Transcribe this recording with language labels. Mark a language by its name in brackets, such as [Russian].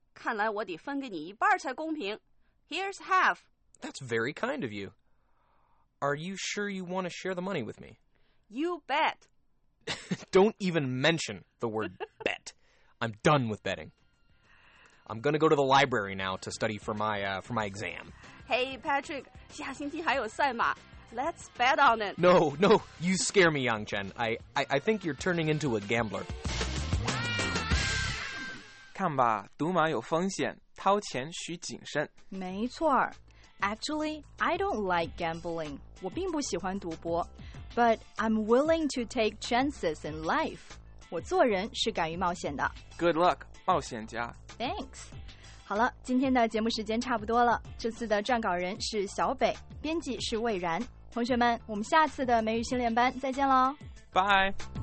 [Chinese] 看来我得分给你一半才公平。 [English] Here's half. That's very kind of you. Are you sure you want to share the money with me? You bet. Don't even mention the word bet. I'm done with betting. I'm going to go to the library now to study for my exam. Hey, Patrick, [Chinese] 下星期还有赛马。 [English] Let's bet on it. No, no, you scare me, Yang Chen. I think you're turning into a gambler. [Chinese] 看吧，赌马有风险，掏钱需谨慎。没错儿。 [English] Actually, I don't like gambling. [Chinese] 我并不喜欢赌博 [English] But I'm willing to take chances in life. [Chinese] 我做人是敢于冒险的 [English] Good luck, [Chinese] 冒险家 [English] Thanks. [Chinese] 好了，今天的节目时间差不多了。这次的撰稿人是小北，编辑是魏然。同学们，我们下次的美语训练班再见喽 [English] Bye.